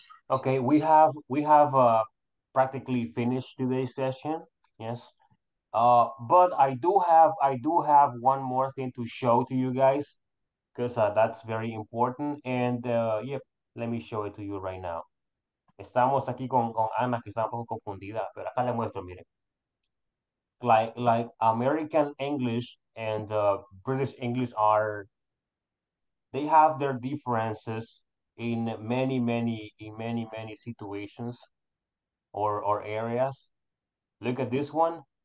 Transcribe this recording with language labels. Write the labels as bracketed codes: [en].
[en] Okay, we have practically finished today's session. Yes. But I do have one more thing to show to you guys, because that's very important. And yeah, let me show it to you right now. [es] Estamos aquí con Ana, que está un poco confundida, pero acá le muestro, mire. [en] Like American English and British English are, they have their differences in many situations or areas. Look at this one.